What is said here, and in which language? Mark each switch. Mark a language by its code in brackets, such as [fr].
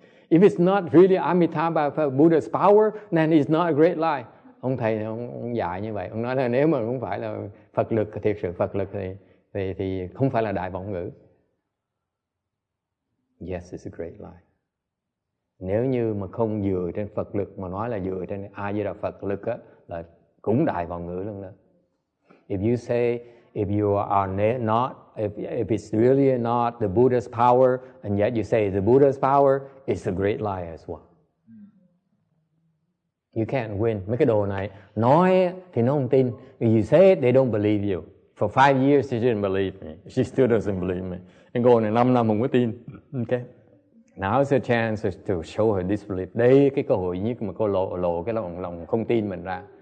[en] If it's not really Amitabha Buddha's power, then it's not a great lie. [vi] Ông thầy ông dạy như vậy, ông nói là nếu mà không phải là Phật lực, thiệt sự Phật lực thì không phải là đại vọng ngữ. [en] Yes, it's a great lie. [vi] Nếu như mà không dựa trên Phật lực mà nói là dựa trên A Di Đà Phật lực á, là cũng đại vọng ngữ luôn đó. [en] If you say if you are not, if it's really not the Buddha's power, and yet you say the Buddha's power, it's a great lie as well. You can't win. [vi] Mấy cái đồ này nói thì nó không tin. [en] You say it, they don't believe you. For 5 years, she didn't believe me. She still doesn't believe me. And go on, [vi] 5 năm không có tin. [en] Okay. Now is a chance to show her disbelief. [vi] Đây cái cơ hội nhất mà cô lộ cái lòng không tin mình ra.